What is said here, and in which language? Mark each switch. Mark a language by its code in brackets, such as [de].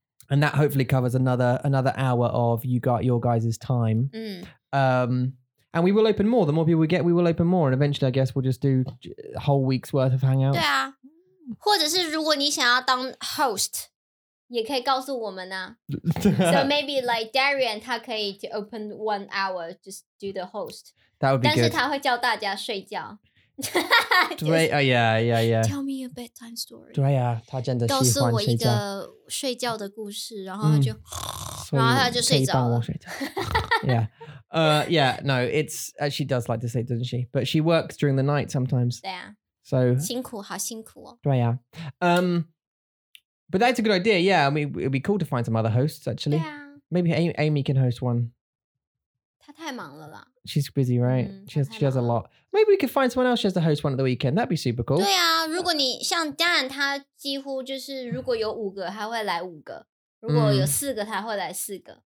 [en] And that hopefully covers another hour of you got your guys' time. And we will open more. The more people we get, we will open more. And eventually, I guess, we'll just do a whole week's worth of hangouts. [zh] 对啊。或者是如果你想要当 host, 也可以告诉我们啊。 [en] So maybe like Darian, [zh] 他可以 [en] to open 1 hour, just do the host. That would be good. [zh] 但是他会叫大家睡觉。 [en] Yeah. Tell me a bedtime story. [zh] 对啊，他真的喜欢睡觉。告诉我一个睡觉的故事，然后他就，然后他就睡着了。 [en] Yeah. No, it's, she does like to sleep, doesn't she? But she works during the night sometimes. [zh] 对啊。 [en] So, [zh] 辛苦，好辛苦哦。对啊。 [en] But that's a good idea, yeah. I mean, it would be cool to find some other hosts, actually. Yeah. Maybe Amy can host one. [zh] 她太忙了啦。 [en] She's busy, right? She has a lot. Maybe we could find someone else she has to host one at the weekend. That'd be super cool. [zh] 对啊，如果你像 Dan, 他几乎就是如果有五个，他会来五个；如果有四个，他会来四个。